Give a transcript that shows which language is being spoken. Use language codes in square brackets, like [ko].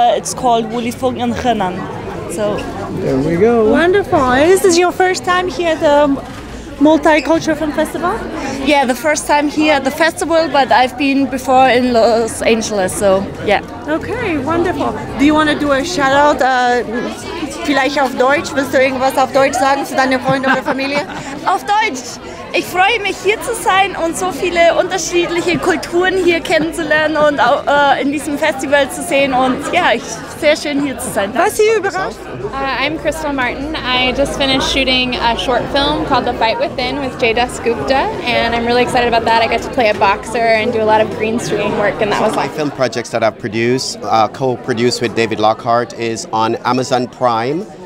[en] It's called Wuli Feng in Henan. So there we go. Wonderful. This is your first time here at the Multicultural Film Festival? Yeah, the first time here at the festival, but I've been before in Los Angeles, so yeah. Okay, wonderful. Do you want to do a shout out? [de] Vielleicht auf Deutsch, willst du irgendwas auf Deutsch sagen zu deinen Freunden oder Familie? Auf Deutsch! Ich freue mich hier zu sein und so viele unterschiedliche Kulturen hier kennenzulernen und auch in diesem Festival zu sehen und ja, sehr schön hier zu sein. Was hier überrascht? [en] I'm Crystal Martin. I just finished shooting a short film called The Fight Within with Jadas Gupta, and I'm really excited about that. I got to play a boxer and do a lot of green screen work, and that was my film projects that I've produced, co-produced with David Lockhart, is on Amazon Prime.